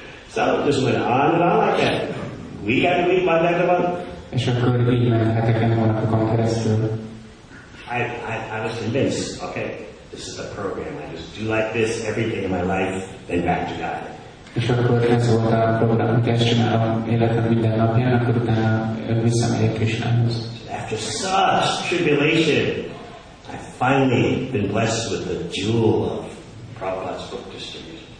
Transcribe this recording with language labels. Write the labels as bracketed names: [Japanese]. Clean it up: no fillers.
[English] So it just went on and on like that. We got to meet by the end of month. [Hungarian] És akkor így ment heteken, hónapokon keresztül. [English] I was convinced, okay. This is a program. I just do like this every day of my life, then back to God. [Hungarian] És akkor ez volt a program, amit ezt csinálom életem minden napján, akkor utána visszamegyek Krisnához. [English] After such tribulation, I've finally been blessed with the jewel of Prabhupada's book distribution.